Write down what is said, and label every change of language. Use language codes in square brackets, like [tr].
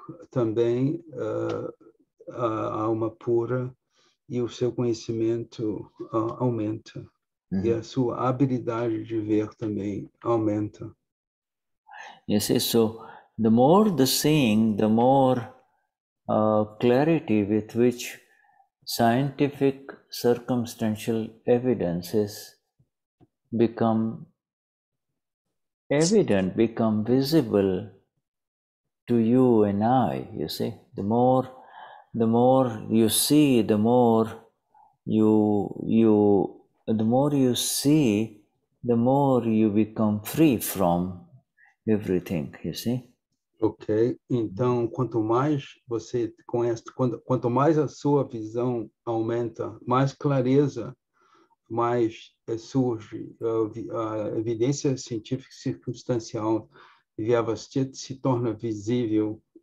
[pt] também a alma pura e o seu conhecimento aumenta. Uhum. E a sua habilidade de ver também aumenta. [en] You see, so the more the seeing, the more clarity with which scientific circumstantial evidences become evident, become visible to you and I, you see. The more you see, the more you become free from everything, you see. [pt] Ok, então quanto mais você conhece, quanto mais a sua visão aumenta, mais clareza, mais surge a evidência científica circunstancial, Vyavasthit se torna visível.